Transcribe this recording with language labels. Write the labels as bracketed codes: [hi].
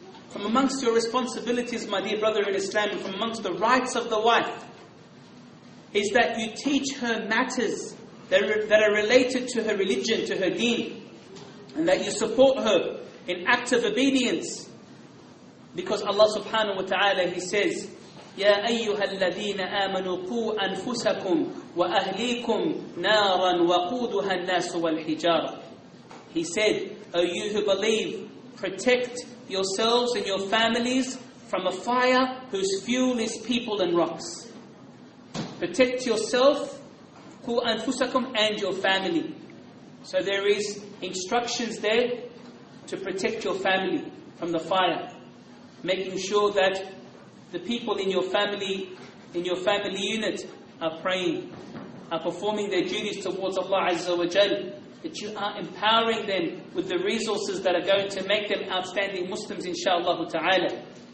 [en] From amongst your responsibilities, my dear brother in Islam, from amongst the rights of the wife, is that you teach her matters that are related to her religion, to her deen. And that you support her in act of obedience. Because Allah subhanahu wa ta'ala, He says, [ar] "Ya أَيُّهَا الَّذِينَ آمَنُوا قُوا أَنفُسَكُمْ وَأَهْلِيكُمْ نَارًا وَقُودُهَا النَّاسُ وَالْحِجَارَةُ." [en] He said, "O you who believe, protect yourselves and your families from a fire whose fuel is people and rocks." Protect yourself, [ar] قُوا أَنفُسَكُمْ, [en] and your family. So there is instructions there to protect your family from the fire, making sure that the people in your family unit, are praying, are performing their duties towards Allah Azza wa Jal, that you are empowering them with the resources that are going to make them outstanding Muslims, inshaAllah ta'ala.